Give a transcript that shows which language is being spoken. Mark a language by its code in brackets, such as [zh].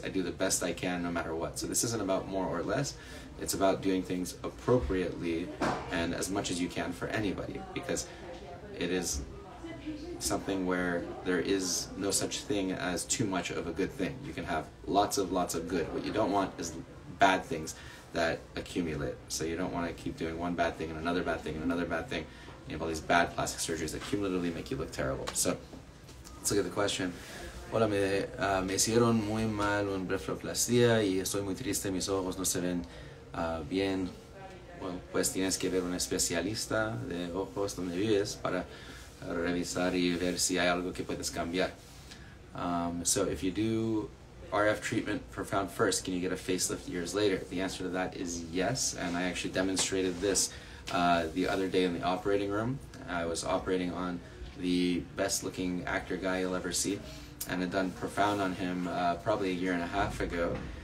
[en] I do the best I can no matter what. So this isn't about more or less. It's about doing things appropriately and as much as you can for anybody, because it is something where there is no such thing as too much of a good thing. You can have lots of good. What you don't want is bad things that accumulate. So you don't want to keep doing one bad thing and another bad thing and another bad thing. You have all these bad plastic surgeries that cumulatively make you look terrible. So let's look at the question. [es] Hola, me hicieron muy mal un blefaroplastia y estoy muy triste, mis ojos no se ven. Bien, bueno, pues tienes que ver un especialista de ojos donde vives para revisar y ver si hay algo que puedes cambiar. [en] So if you do RF treatment profound first, can you get a facelift years later? The answer to that is yes, and I actually demonstrated this the other day in the operating room. I was operating on the best looking actor guy you'll ever see, and had done profound on him probably a year and a half ago.